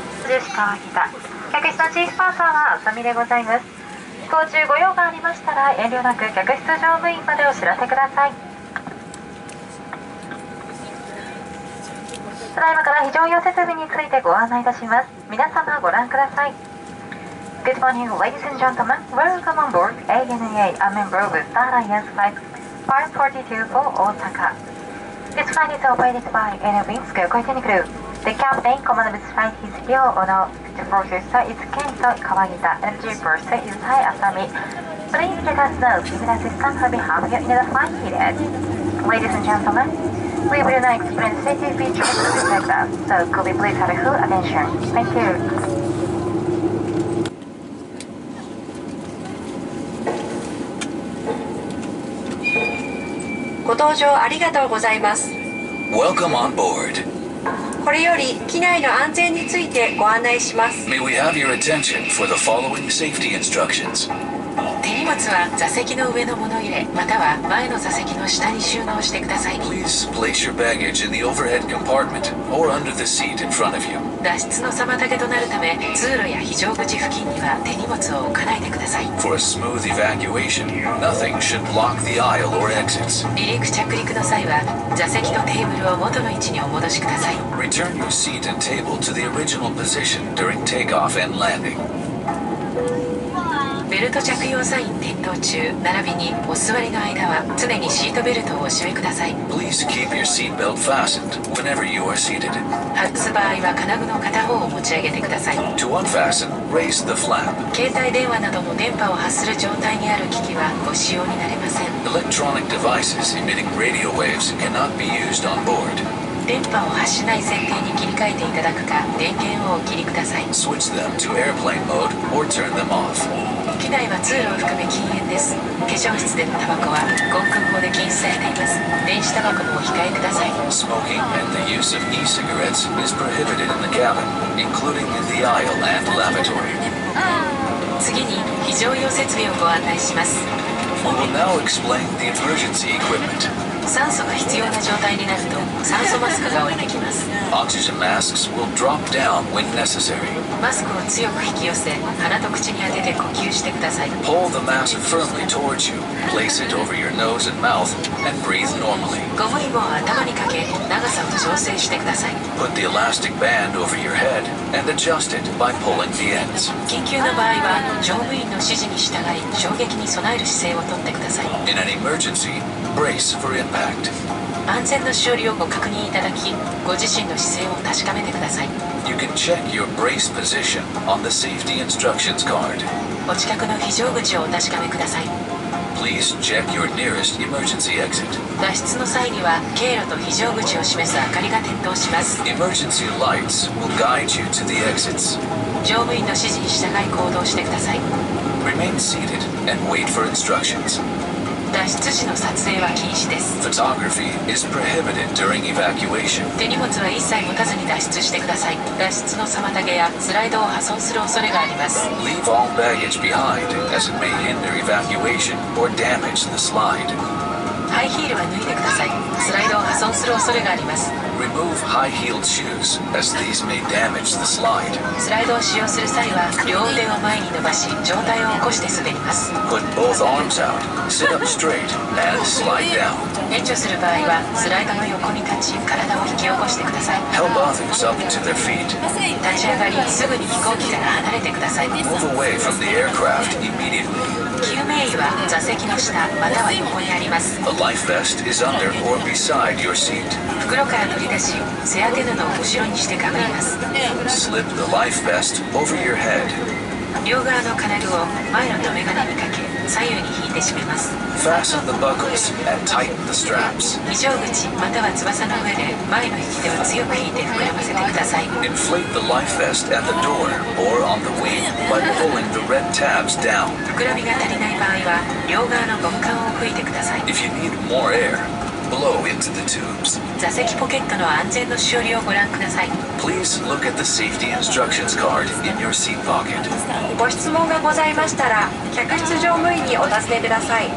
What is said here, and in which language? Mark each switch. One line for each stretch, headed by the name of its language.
Japanese: ジェシカ・アキタ客室のチーフパーサーはあさみでございます。飛行中ご用がありましたら遠慮なく客室乗務員までお知らせください。ただいまから非常用設備についてご案内いたします。皆様ご覧ください。
English: Good morning ladies and gentlemen, welcome on board ANA a member of Star Alliance Flight 542 for Osaka. This flight is operated by ANA Wings Kokoiten Crew. The captain command of this flight is Ryo Ono. The professor is Kento Kawagita. MG person is Tai Asami. Please let us know if an assistant will be having you in the flight period. Ladies and gentlemenWe will not experience safety features to protect us, so could we please have a full attention? Thank you.
Japanese: ご搭乗ありがとうございます。
English: Welcome on board.
Japanese: これより機内の安全についてご案内します。
English: May we have your attention for the following safety instructions.
Japanese: 手荷物は座席の上の物入れ、または前の座席の下に収納してください。
English: Please place your baggage in the overhead compartment or under the seat in front of you.
Japanese: 脱出の妨げとなるため、通路や非常口付近には手荷物を置かないでください。
English: For a smooth evacuation, nothing should block the aisle or exits.
Japanese: 離陸着陸の際は、座席とテーブルを元の位置にお戻しください。
English: Return your seat and table to the original position during takeoff and landing.
Japanese: ベルト着用サイン点灯中、並びにお座りの間は常にシートベルトをお締めください。
English: Please keep your seat belt fastened whenever you are seated.
Japanese: 外す場合は金具の片方を持ち上げてください。
English: To unfasten, raise the flap.
Japanese: 携帯電話なども電波を発する状態にある機器はご使用になれません。
English: Electronic devices emitting radio waves cannot be used on board.
Japanese: 電波を発しない設定に切り替えていただくか、電源をお切りください。
English: Switch them to airplane mode or turn them off.
Japanese: 機内は通路を含め禁煙です。化粧室でのタバコは航空法で禁止されています。電子タバコもお控えください。
English: Smoking and the use of e-cigarettes is prohibited in the cabin, including in the aisle and lavatory.
Japanese: 次に非常用設備をご案内します。
English: We will now explain the emergency equipment.
Japanese: 酸素が必要な状態になると酸素マスクが降りてきます。
English: Oxygen masks will drop down when necessary.
Japanese: マスクを強く引き寄せ鼻と口に当てて呼吸してください。
English: Pull the mask firmly towards you. Place it over your nose and mouth and breathe normally.
Japanese: ゴムひもを頭にかけ長さを調整してください。
English: Put the elastic band over your head and adjust it by pulling the ends.
Japanese: 緊急の場合は乗務員の指示に従い衝撃に備える姿勢をとってください。
English: In an emergency,Brace for impact.
Japanese: 安全のしおりをご確認いただき、ご自身の姿勢を確かめてください。
English: You can check your brace position on the safety instructions card.
Japanese: お近くの非常口をお確かめください。
English: Please check your nearest emergency exit.
Japanese: 脱出の際には、経路と非常口を示す明かりが点灯します。
English: Emergency lights will guide you to the exits.
Japanese: 乗務員の指示に従い行動してください。
English: Remain seated and wait for instructions.
Japanese: 脱出時の撮影は禁止です。
English: Photography is prohibited during evacuation.
Japanese: 手荷物は一切持たずに脱出してください。脱出の妨げやスライドを破損する恐れがあります。
English: Leave all baggage behind, as it may hinder evacuation or damage the slide.
Japanese: ハイヒールは脱いでください。スライドを破損する恐れがあります。
English: Remove high-heeled shoes, as these may damage the slide.
Japanese: スライドを使用する際は、両腕を前に伸ばし、上体を起こして滑ります。
English: Put both arms out, sit up straight, and slide down.
Japanese: 援助する場合は、スライドの横に立ち、体を引き起こしてください。
English: Help others up to their feet.
Japanese: 立ち上がり、すぐに飛行機から離れてください。
English: Move away from the aircraft immediately.
Japanese: 救命衣は座席の下または横にあります。
English: A life vest is under or beside your seat.
Japanese: 袋から取り出し背当て布を後ろにしてかぶります。
English: Slip the life vest over your head.
Japanese: 両側の金具を前の留め金にかけ左右に引いて締めます。
English: Fasten the buckles and tighten the straps.
Japanese: 非常口または翼の上で前の引き手を強く引いて膨らませてください。
English: Inflate the life vest at the door or on the wing by pulling the red tabs down.
Japanese: 膨らみが足りない場合は両側のゴム管を吹いてください。
English: If you need more air, blow into the tubes.
Japanese: 座席ポケットの安全のしおりをご覧ください。
English: Please look at the safety instructions card in your seat pocket.
Japanese: ご質問がございましたら、客室乗務員にお尋ねください。